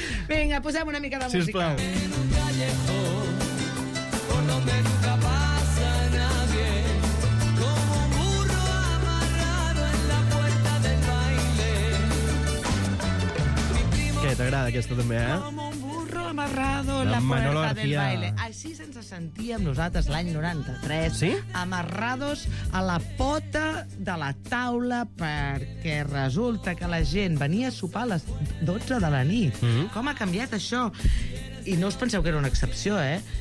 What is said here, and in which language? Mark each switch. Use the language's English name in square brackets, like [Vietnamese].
[Catalan] Vinga, posem una mica de música. Sisplau. Què, t'agrada aquesta també, [Spanish] amarrado en la puerta del baile. [Catalan] Així se'ns sentíem nosaltres l'any 93. Sí? Amarrados a la pota de la taula perquè resulta que la gent venia a sopar a les 12 de la nit. Mm-hmm. Com ha canviat això? I no us penseu que era una excepció, eh?